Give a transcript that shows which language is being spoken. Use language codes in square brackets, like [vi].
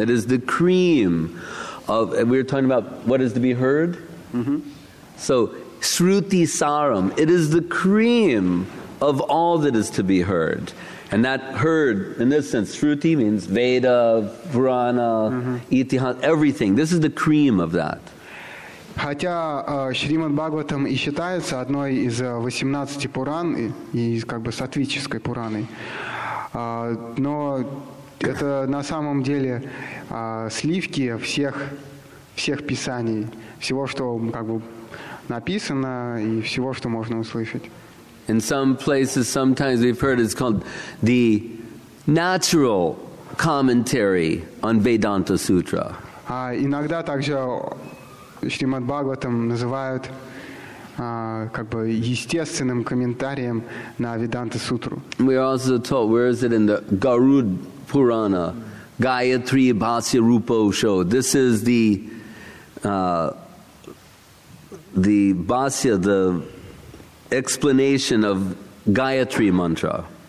[en] It is the cream of, and we were talking about what is to be heard? Mm-hmm. So, Shruti Saram, it is the cream of all that is to be heard. And that herd, in this sense, Shruti means Veda, Purana, Itihas, everything. This is the cream of that. [ru] Хотя Шримад Бхагаватам и считается одной из 18 Пуран и как бы сатвической Пураной, но это на самом деле сливки всех писаний, всего, что как бы написано и всего, что можно услышать. [en] In some places, sometimes we've heard it's called the natural commentary on Vedanta Sutra. [ru] Иногда также Шримад Бхагаватам называют как бы естественным комментарием на Веданта Сутру. [en] We are also told, where is it in the Garuda Purana, Gayatri Bhasya Rupa Usho. This is the Bhasya, the explanation of Gayatri Mantra.